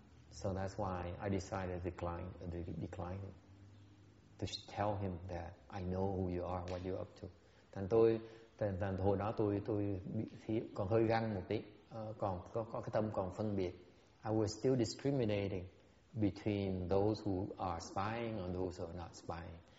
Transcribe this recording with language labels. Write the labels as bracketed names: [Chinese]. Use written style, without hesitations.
[English] So that's why I decided to decline to tell him that I know who you are, what you're up to. [Vietnamese] Thành hồi đó tôi còn hơi găng một tí, còn có cái tâm còn phân biệt. [English] I was still discriminating between those who are spying and those who are not spying.